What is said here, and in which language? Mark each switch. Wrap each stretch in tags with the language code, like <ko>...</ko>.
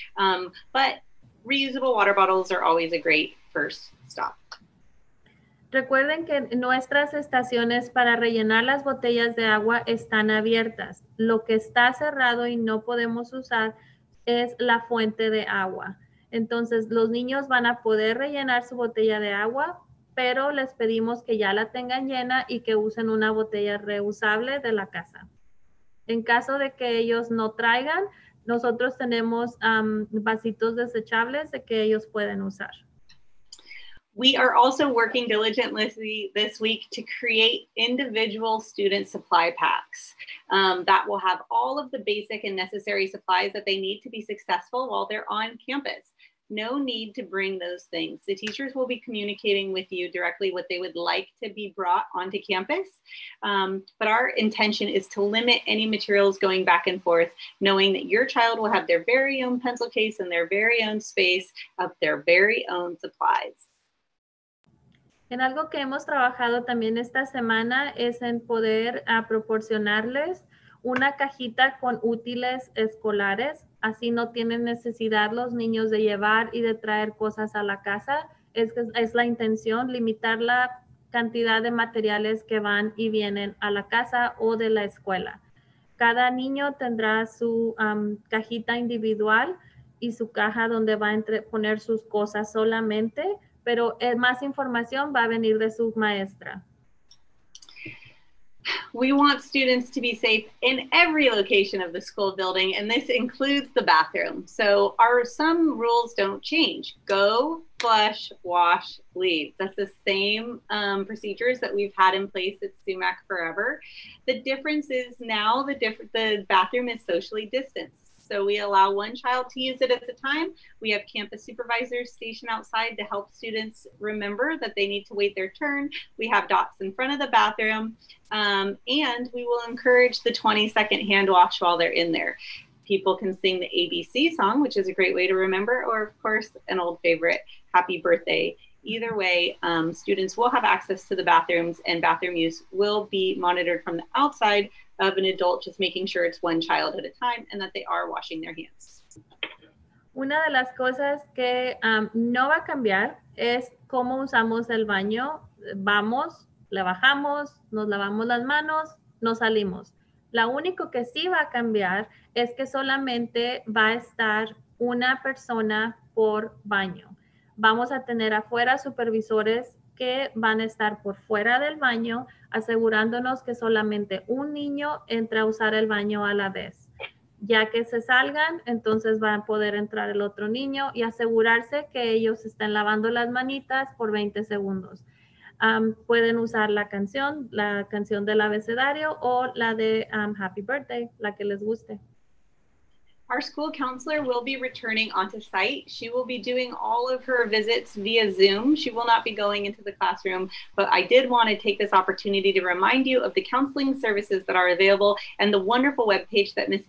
<en>But reusable water bottles are always a great first stop.</en> <es>Recuerden que nuestras estaciones para rellenar las botellas de agua están abiertas. Lo que está cerrado y no podemos usar es la fuente de agua. Entonces, los niños van a poder rellenar su botella de agua, pero les pedimos que ya la tengan llena y que usen una botella reusable de la casa. En caso de que ellos no traigan, nosotros tenemos vasitos desechables de que ellos pueden usar.</es> <en>We are also working diligently this week to create individual student supply packs that will have all of the basic and necessary supplies that they need to be successful while they're on campus. No need to bring those things. The teachers will be communicating with you directly what they would like to be brought onto campus. But our intention is to limit any materials going back and forth, knowing that your child will have their very own pencil case and their very own space of their very own supplies.</en> <es>En algo que hemos trabajado también esta semana es en poder proporcionarles una cajita con útiles escolares. Así no tienen necesidad los niños de llevar y de traer cosas a la casa. Es la intención, limitar la cantidad de materiales que van y vienen a la casa o de la escuela. Cada niño tendrá su cajita individual y su caja donde va a poner sus cosas solamente. Pero más información va a venir de su maestra.</es> <en>We want students to be safe in every location of the school building, and this includes the bathroom. So our some rules don't change. Go, flush, wash, leave. That's the same procedures that we've had in place at Sumac forever. The difference is now the bathroom is socially distanced. So we allow one child to use it at a time. We have campus supervisors stationed outside to help students remember that they need to wait their turn. We have dots in front of the bathroom, and we will encourage the 20-second hand wash while they're in there. People can sing the ABC song, which is a great way to remember, or of course, an old favorite, Happy Birthday. Either way, students will have access to the bathrooms and bathroom use will be monitored from the outside of an adult, just making sure it's one child at a time and that they are washing their hands.</en> <es>Una de las cosas que no va a cambiar es cómo usamos el baño. Vamos, le bajamos, nos lavamos las manos, nos salimos. La único que sí va a cambiar es que solamente va a estar una persona por baño. Vamos a tener afuera supervisores que van a estar por fuera del baño, asegurándonos que solamente un niño entra a usar el baño a la vez. Ya que se salgan, entonces van a poder entrar el otro niño y asegurarse que ellos estén lavando las manitas por 20 segundos. Pueden usar la canción del abecedario o la de Happy Birthday, la que les guste.</es> <en>Our school counselor will be returning onto site. She will be doing all of her visits via Zoom. She will not be going into the classroom, but I did want to take this opportunity to remind you of the counseling services that are available and the wonderful webpage that Ms.</en>